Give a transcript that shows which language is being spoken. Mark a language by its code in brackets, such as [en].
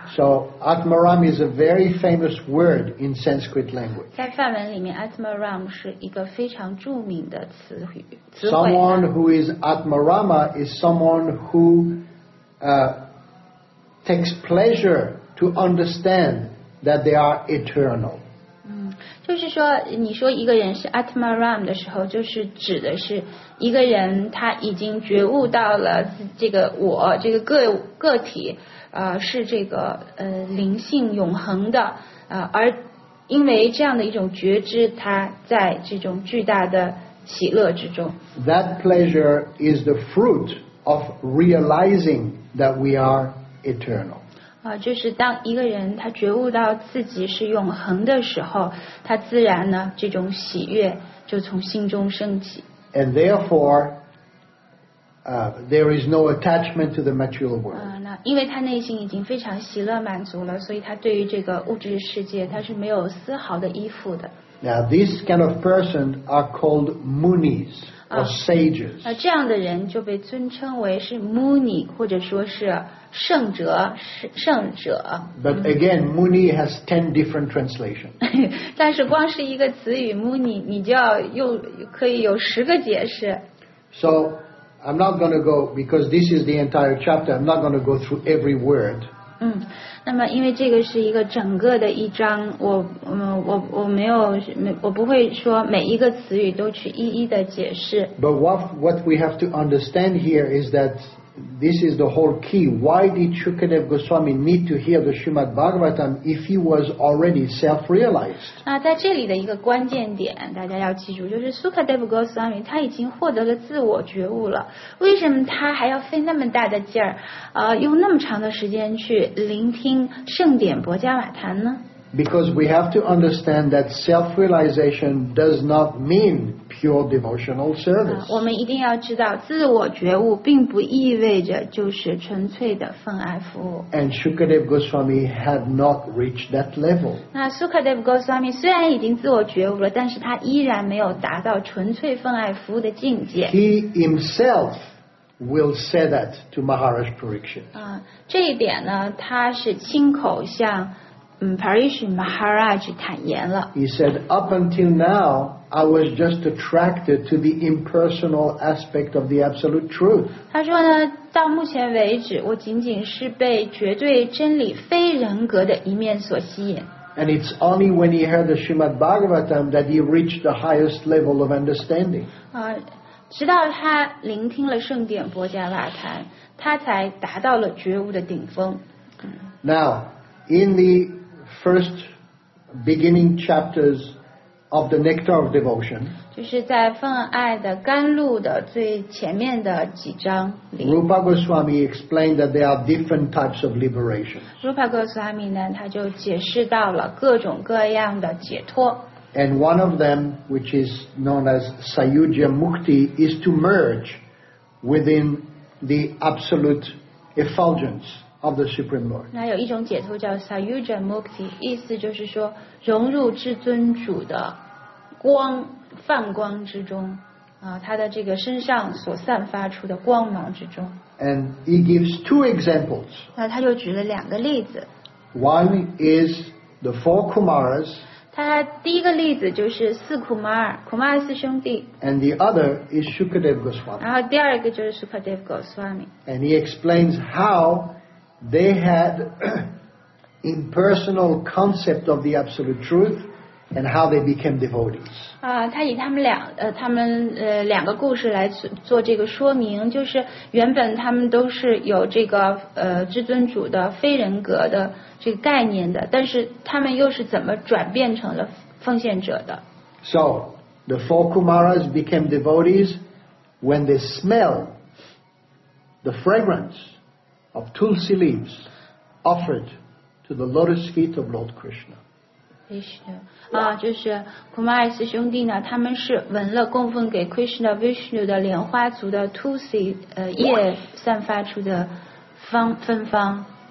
[en] So Atmaram is a very famous word in Sanskrit language. [zh] 在梵文里面 ，Atmaram 是一个非常著名的词语。 [en] Someone who is Atmarama is someone who takes pleasure to understand that they are eternal. [zh] 就是说，你说一个人是 Atmaram 的时候，就是指的是一个人他已经觉悟到了这个我这个个体，是这个灵性永恒的，而因为这样的一种觉知，他在这种巨大的喜乐之中。 [en] That pleasure is the fruit of realizing that we are eternal. [zh] 啊，就是当一个人他觉悟到自己是永恒的时候，他自然呢这种喜悦就从心中升起。 [en] And therefore, there is no attachment to the material world. [zh] 那因为他内心已经非常喜乐满足了，所以他对于这个物质世界他是没有丝毫的依附的。 [en] Now, these kind of persons are called munis or sages. [zh] 那这样的人就被尊称为是 muni 或者说是圣者，圣者。 [en] But again, muni has 10 different translations. [zh] 但是光是一个词语 muni， 你就要用可以有10个解释。 [en] So I'm not going to go because this is the entire chapter. I'm not going to go through every word. [zh] 那么因为这个是一个整个的一章，我不会说每一个词语都去一一的解释。 [en] But what we have to understand here is that this is the whole key. Why did Shukadeva Goswami need to hear the Srimad Bhagavatam if he was already self-realized? [zh] 那在这里的一个关键点，大家要记住，就是 Shukadeva Goswami 他已经获得了自我觉悟了。为什么他还要费那么大的劲儿，用那么长的时间去聆听盛典薄伽瓦坛呢？ [en] Because we have to understand that self-realization does not mean pure devotional service. [zh] 我们一定要知道，自我觉悟并不意味着就是纯粹的奉爱服务。 [en] And Shukadeva Goswami had not reached that level. [zh] 那 Shukadeva Goswami 虽然已经自我觉悟了，但是他依然没有达到纯粹奉爱服务的境界。 [en] He himself will say that to Maharaj Parikshit. [zh] 这一点呢，他是亲口向Parish Maharaj 坦言了。 [en] He said, "Up until now, I was just attracted to the impersonal aspect of the absolute truth." [zh] 他说呢，到目前为止，我仅仅是被绝对真理非人格的一面所吸引。 [en] And it's only when he heard the Srimad Bhagavatam that he reached the highest level of understanding. [zh] 直到他聆听了圣典薄伽瓦坛，他才达到了觉悟的顶峰。 [en] Now, in the first beginning chapters of the Nectar of Devotion. [zh] 就是在奉爱的甘露的最前面的几章里。 [en] Rupa Goswami explained that there are different types of liberation. [zh] Rupa Goswami 呢，他就解释到了各种各样的解脱。 [en] And one of them, which is known as Sayujya Mukti, is to merge within the absolute effulgence of the Supreme Lord. [zh] 那有一种解脱叫 Sayujya Mukti， 意思就是说融入至尊主的光。泛光之中，他的这个身上所散发出的光芒之中。 [en] And he gives two examples. [zh] 那他就举了两个例子。 [en] One is the four Kumaras. [zh] 他第一个例子就是四库马尔，库马尔四兄弟。 [en] And the other is Shukadev Goswami. [zh] 然后第二个就是 Shukadev Goswami. [en] And he explains how they had impersonal concept of the absolute truth. And how they became devotees. [zh] 他以他们两个故事来做这个说明，就是原本他们都是有这个至尊主的非人格的这个概念的，但是他们又是怎么转变成了奉献者的 [en] ？So the four Kumaras became devotees when they smell the fragrance of tulsi leaves offered to the lotus feet of Lord Krishna. [zh] Krishna 啊，就是库玛尔斯兄弟呢，他们是闻了供奉给 Krishna Vishnu 的莲花族的 Tulsi 叶散发出的芬芳。